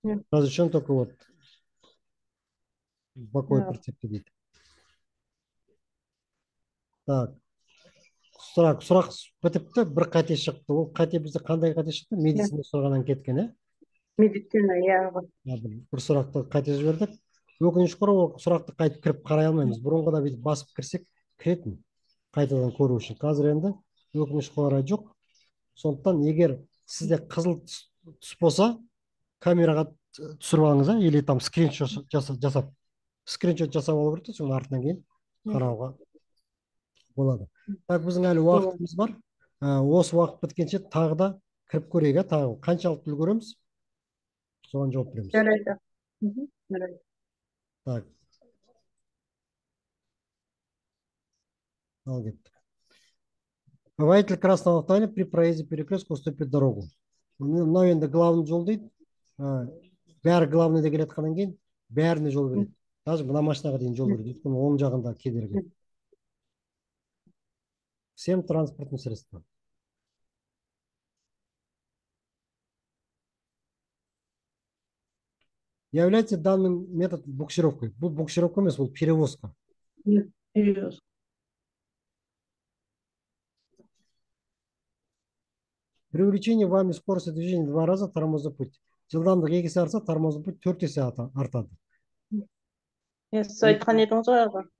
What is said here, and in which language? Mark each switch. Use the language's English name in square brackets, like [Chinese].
[Russian] Разрешено только вот боковой прицепке [Kazakh] дейді. [Russian] Так. [Kazakh] Сұрақ бітіпті, бір қате шықты. Ол қате бізде қандай қате шықты? Медицина сұрағынан кеткен, е? Медицина, иә. Бір сұрақты қате жібердік. Өкініш қой, ол сұрақты қайтып кіріп қарай алмаймыз. Бұрынғыда біз басып кірсек, кіретін. Қайтадан көру үшін. Қазір енді өкініш қой жоқ. Сондықтан егер сізде қызыл түс болса, камераға түсіріп алыңыз, [Russian] или там скриншот [Kazakh] жасап алу керек, соның артынан кейін қарауға болады. [Russian] Так, [Kazakh] біздің әлі уақытымыз бар. Осы уақыт біткенше тағы да кіріп көрейік, тағы қаншалықты үлгереміз, соған жауап береміз. Жарайды. [Russian] Так. [Kazakh] Ал кеттік. [Russian] Водитель красного автомобиля при проезде перекрестка уступит дорогу. [Kazakh] Мынау енді главный жол дейді. Бәрі главный деп келе жатқаннан кейін бәріне жол береді. [Russian] Даже [Kazakh] мына машинаға дейін жол береді. Өйткені оң жағында кедергі. [Russian] Всем транспортным средствам. Является данным метод буксировкой. Буксировка у нас был перевозка. Серьезно. При увеличении вами скорости движения в два раза тормоза путь. [Kazakh] Жылдамдық екі есе артса, тормоза путь 4 есе артады. Сіз айтқан едіңіз ғой аға.